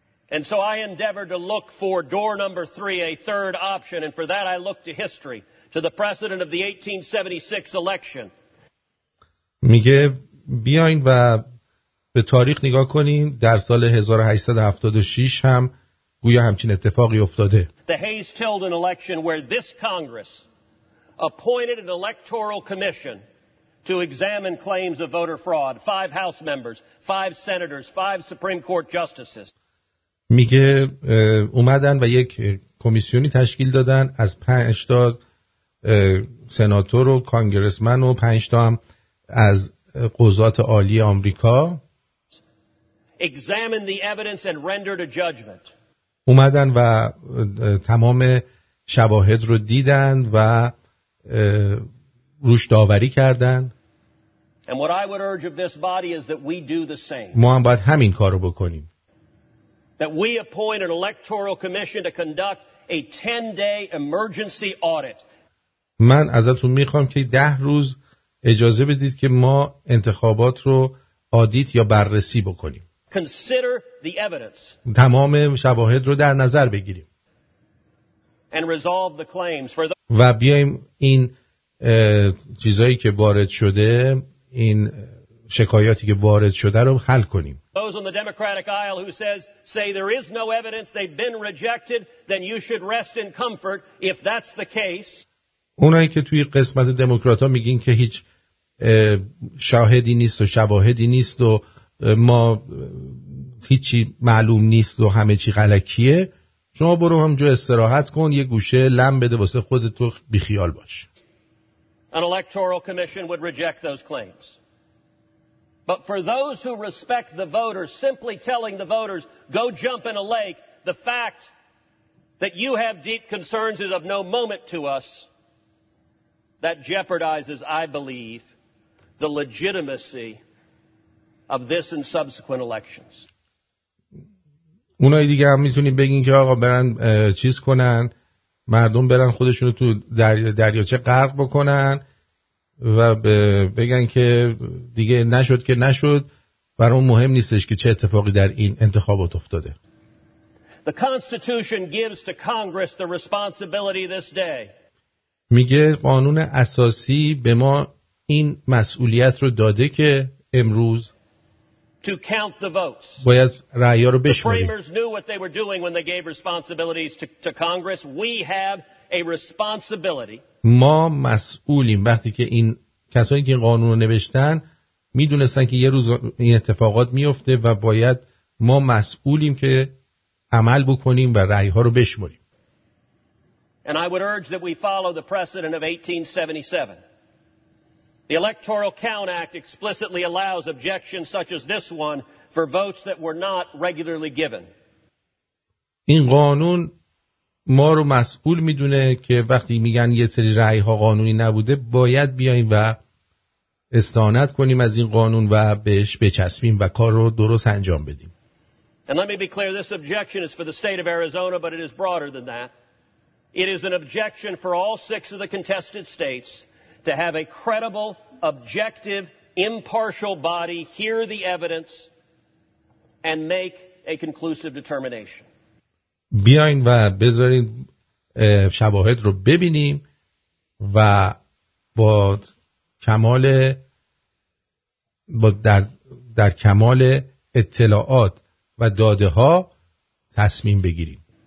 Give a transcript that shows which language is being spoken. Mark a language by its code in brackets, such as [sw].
[en] And so I endeavored to look for door number three, a third option, and for that I looked to history, to the precedent of the 1876 election. [fa] میگه بیاین و به تاریخ نگاه کنین. در سال 1876 هم گویا همچین اتفاقی افتاده. [en] The Hayes-Tilden election where this Congress appointed an electoral commission to examine claims of voter fraud. Five House members, five senators, five Supreme Court justices. [fa] میگه اومدن و یک کمیسیونی تشکیل دادن از 5 تا سناتور و کانگرسمن و 5 تا هم از قضات عالی آمریکا. [en] Examine the evidence and rendered a judgment. [fa] اومدن و تمام شواهد رو دیدن و روش داوری کردن. [en] And what I would urge of this body is that we do the same. [fa] ما هم باید همین کار رو بکنیم. [en] That we appoint an electoral commission to conduct a 10-day emergency audit. [fa] من ازتون میخوام که 10 روز اجازه بدید که ما انتخابات رو آدیت یا بررسی بکنیم. [en] Consider the evidence. [fa] تمام شواهد رو در نظر بگیریم. [en] And resolve the claims for the... [fa] و بیایم این چیزایی که وارد شده، این شکایاتی که وارد شده رو حل کنیم. [en] Those on the Democratic aisle who say there is no evidence, they've been rejected, then you should rest in comfort if that's the case. [fa] اونایی که توی قسمت دموکرات‌ها میگین که هیچ شاهدی نیست و شواهدی نیست و ما هیچی معلوم نیست و همه چی غلکیه، شما برو همجا استراحت کن، یه گوشه لم بده واسه خودتو، بیخیال باش. [en] An electoral commission would reject those claims. But for those who respect the voters, simply telling the voters, go jump in a lake, the fact that you have deep concerns is of no moment to us. That jeopardizes, I believe, the legitimacy of this and subsequent elections. [fa] اونای دیگه هم میتونید بگین که آقا برن چیز کنن، مردم برن خودشونو تو دریاچه غرق بکنن و بگن که دیگه نشد که نشد، برای اون مهم نیستش که چه اتفاقی در این انتخابات افتاده. [en] The Constitution gives to Congress the responsibility this day. [fa] میگه قانون اساسی به ما این مسئولیت رو داده که امروز [en] to count the votes. [fa] باید رأی ها رو بشماریم. [en] The framers knew what they were doing when they gave responsibilities to Congress. We have a responsibility. [fa] ما مسئولیم. وقتی که این کسایی که این قانون رو نوشتن میدونستن که یه روز این اتفاقات میفته و باید ما مسئولیم که عمل بکنیم و رأی ها رو بشماریم. [en] And I would urge that we follow the precedent of 1877. The Electoral Count Act explicitly allows objections such as this one for votes that were not regularly given. [fa] این قانون ما رو مسئول میدونه که وقتی میگن یه سری رأی ها قانونی نبوده، باید بیایم و استناد کنیم از این قانون و بهش بچسبیم و کار رو درست انجام بدیم. [en] And let me be clear, this objection is for the state of Arizona, but it is broader than that. It is an objection for all six of the contested states to have a credible, objective, impartial body hear the evidence and make a conclusive determination. [fa] بیاین و بذارین شواهد رو ببینیم و با کمال با در کمال اطلاعات و داده‌ها تصمیم بگیریم.